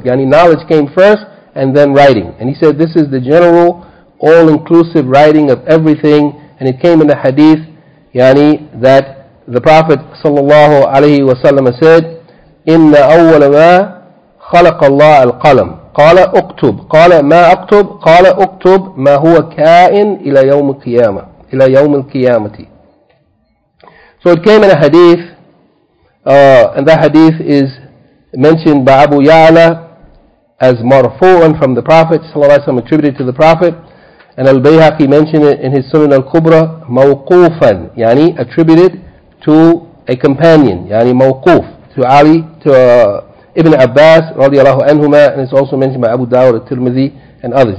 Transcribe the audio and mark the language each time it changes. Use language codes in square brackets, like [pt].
[en] Yani knowledge came first and then writing. And he said this is the general all-inclusive writing of everything, and it came in the hadith, yani that the Prophet sallallahu alayhi wa sallam said, [ar] "Inna awwala ma khalaq Allah al-qalam." قال اكتب قال ما اكتب قال اكتب ما هو كائن الى يوم القيامه الى يوم القيامه. [en] So it came in a hadith and that hadith is mentioned by Abu Ya'la as marfu'an from the Prophet sallallahu alaihi wasallam, attributed to the Prophet, and Al-Bayhaqi mentioned it in his Sunan al-Kubra mawqufan, yani attributed to a companion, yani mawquf to Ali, to Ibn Abbas radiallahu anhuma, and it's also mentioned by Abu Dawud al-Tirmidhi and others.